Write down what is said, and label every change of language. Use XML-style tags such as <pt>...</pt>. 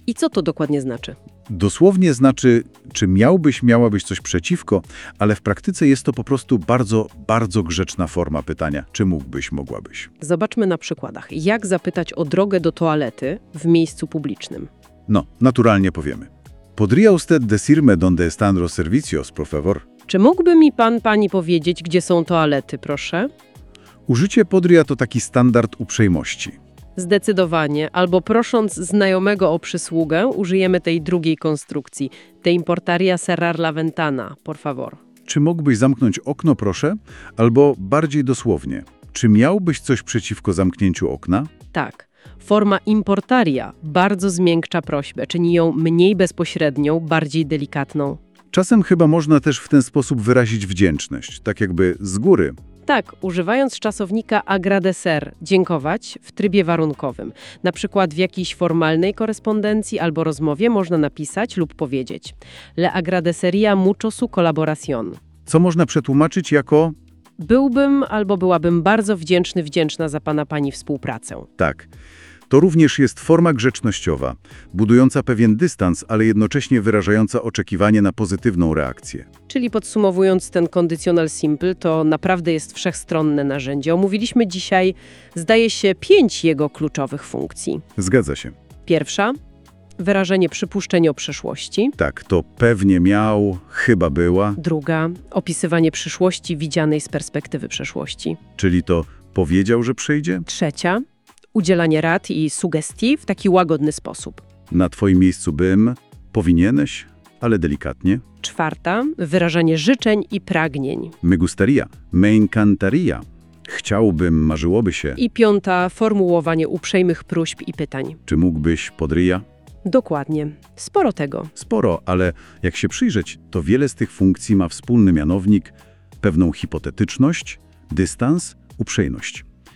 <pl>I co to dokładnie znaczy? Dosłownie znaczy, czy miałbyś, miałabyś coś przeciwko, ale w praktyce jest to po prostu bardzo, bardzo grzeczna forma pytania, czy mógłbyś, mogłabyś. Zobaczmy na przykładach, jak zapytać o drogę do toalety w miejscu publicznym. No, naturalnie powiemy.</pl> <es>¿Podría usted decirme dónde están los servicios, por favor?</es> <pl>Czy mógłby mi pan, pani powiedzieć, gdzie są toalety, proszę? Użycie podría to taki standard uprzejmości. Zdecydowanie. Albo prosząc znajomego o przysługę, użyjemy tej drugiej konstrukcji.</pl> <es>Te importaría cerrar la ventana, por favor.</es> <pl>Czy mógłbyś zamknąć okno, proszę? Albo bardziej dosłownie, czy miałbyś coś przeciwko zamknięciu okna? Tak. Forma importaría bardzo zmiękcza prośbę, czyni ją mniej bezpośrednią, bardziej delikatną. Czasem chyba można też w ten sposób wyrazić wdzięczność, tak jakby z góry. Tak, używając czasownika agradecer, dziękować, w trybie warunkowym. Na przykład w jakiejś formalnej korespondencji albo rozmowie można napisać lub powiedzieć.</pl> <es>Le agradecería mucho su colaboración.</es> <pl>Co można przetłumaczyć jako... Byłbym albo byłabym bardzo wdzięczny, wdzięczna za pana pani współpracę. Tak. To również jest forma grzecznościowa, budująca pewien dystans, ale jednocześnie wyrażająca oczekiwanie na pozytywną reakcję. Czyli podsumowując, ten conditional simple to naprawdę jest wszechstronne narzędzie. Omówiliśmy dzisiaj, zdaje się, 5 jego kluczowych funkcji. Zgadza się. Pierwsza, wyrażenie przypuszczeń o przeszłości. Tak, to pewnie miał, chyba była. Druga, opisywanie przyszłości widzianej z perspektywy przeszłości. Czyli to powiedział, że przyjdzie? Trzecia, udzielanie rad i sugestii w taki łagodny sposób. Na twoim miejscu bym, powinieneś, ale delikatnie. Czwarta, wyrażanie życzeń i pragnień.</pl> <es>Me gustaría, me encantaría.</es> <pl>Chciałbym, marzyłoby się. I piąta, formułowanie uprzejmych próśb i pytań. Czy mógłbyś, podría? Dokładnie. Sporo tego. Sporo, ale jak się przyjrzeć, to wiele z tych funkcji ma wspólny mianownik, pewną hipotetyczność, dystans, uprzejmość.</pl>